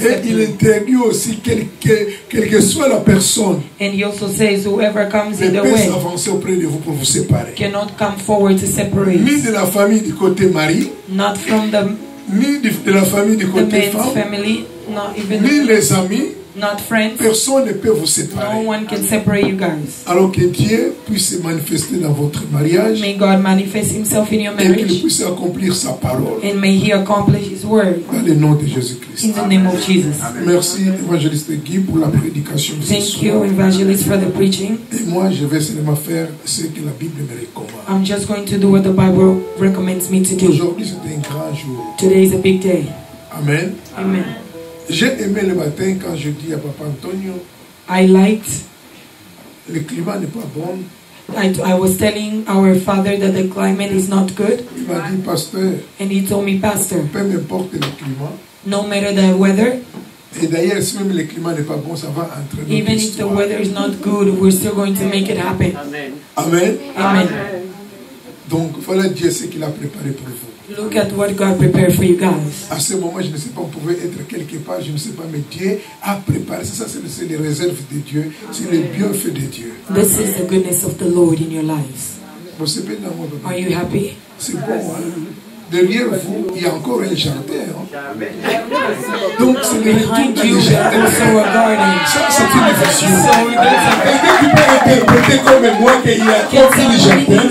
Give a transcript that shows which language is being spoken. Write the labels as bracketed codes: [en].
[fr] et il interdit aussi quelle que soit la personne. [en] And he also says whoever comes in the way [fr] peut s'avancer auprès de vous pour vous séparer. [en] Cannot come forward to separate. [fr] Ni de la famille du côté mari. [en] Not from the [fr] ni de la famille du côté [en] the [fr] femme. [en] Family, not even [fr] ni the, les amis. [en] Not friends. [fr] Personne ne peut vous séparer. [en] No one can separate you guys. [fr] Alors que Dieu puisse manifester dans votre mariage. [en] May God manifest himself in your marriage. [fr] Et qu'il puisse accomplir sa parole. [en] And may he accomplish his word. [fr] Dans le nom de Jésus-Christ. [en] In the name of Jesus. [fr] Amen. Merci évangéliste Guy pour la prédication. [en] Thank you evangelist for the preaching. [fr] Et moi je vais seulement faire ce que la Bible me recommande. [en] I'm just going to do what the Bible recommends me to do. [fr] Aujourd'hui c'est un grand jour. [en] Today is a big day. Amen. Amen. [fr] J'ai aimé le matin quand je dis à Papa Antonio. [en] I liked. [fr] Le climat n'est pas bon. [en] I was telling our father that the climate is not good. [fr] Il m'a dit, pasteur, [en] and he told me, pastor, [fr] peu importe le climat, [en] no matter the weather, [fr] et d'ailleurs, si même le climat n'est pas bon, ça va entraîner. [en] Even if the weather is not good, we're still going to make it happen. Amen. Amen. Amen. [fr] Donc, voilà Dieu ce qu'il a préparé pour vous. [en] Look at what God prepared for you guys. [fr] À ce moment, je ne sais pas, on pouvait être quelque part, je ne sais pas, mais Dieu a préparé. C'est ça, c'est les réserves de Dieu, c'est le bienfait de Dieu. [en] This is the goodness of the Lord in your lives. [fr] Vous êtes bien dans mon [en] bébé. Are you happy? [fr] C'est bon, hein? Derrière vous, il y a encore un jardin. Hein? Donc, c'est le retour dans le jardin. [en] Also a garden. [fr] Ça, c'est une vision. Quelqu'un qui peut interpréter comme moi qu'il y a encore un jardin.